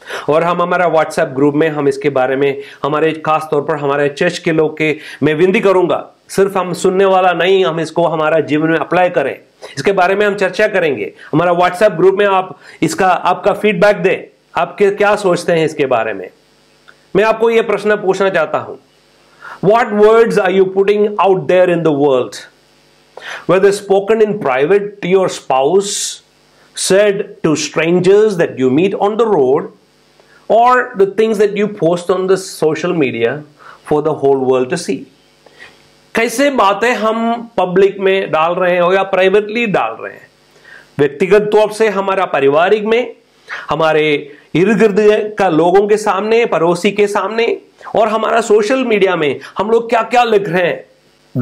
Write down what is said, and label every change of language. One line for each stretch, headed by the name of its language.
Hindi: और हम हमारा व्हाट्सएप ग्रुप में हम इसके बारे में हमारे खास तौर पर हमारे चर्च के लोग के मैं विनती करूंगा, सिर्फ हम सुनने वाला नहीं, हम इसको हमारा जीवन में अप्लाई करें, इसके बारे में हम चर्चा करेंगे। हमारा व्हाट्सएप ग्रुप में आप इसका आपका फीडबैक दें, आपके क्या सोचते हैं इसके बारे में। मैं आपको यह प्रश्न पूछना चाहता हूं,
English: What words are you putting out there in the world, whether spoken in private to your spouse, said to strangers that you meet on the road, or the things that you post on the social media for the whole world to see.
Hindi: कैसे बातें हम public में डाल रहे हैं या privately डाल रहे हैं, व्यक्तिगत तौर से हमारा पारिवारिक में, हमारे इर्द गिर्द का लोगों के सामने, पड़ोसी के सामने, और हमारा सोशल मीडिया में हम लोग क्या क्या लिख रहे हैं।